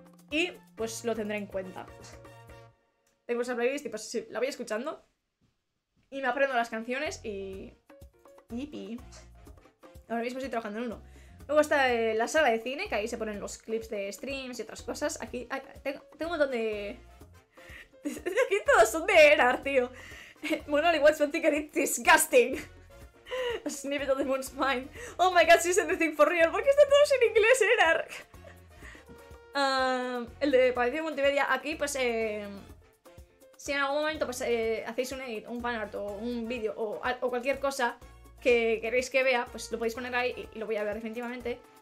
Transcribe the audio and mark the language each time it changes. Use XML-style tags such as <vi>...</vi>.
<es>Y pues lo tendré en cuenta. Tengo esa playlist y pues sí, la voy escuchando. Y me aprendo las canciones y... Yipi. Ahora mismo estoy trabajando en uno. Luego está la sala de cine, que ahí se ponen los clips de streams y otras cosas. Aquí tengo un montón de... Aquí todos son de Enar, tío.</es> <en>Mono only watch one thing and it's disgusting. A snippet of the moon's mind. Oh my god, she's everything for real.</en> <es>¿Por qué están todos en inglés, Enar? El de Palacio de Multimedia. Aquí, pues, si en algún momento pues, hacéis un edit, un fanart o un vídeo o cualquier cosa que queréis que vea, pues lo podéis poner ahí y lo voy a ver definitivamente.</es>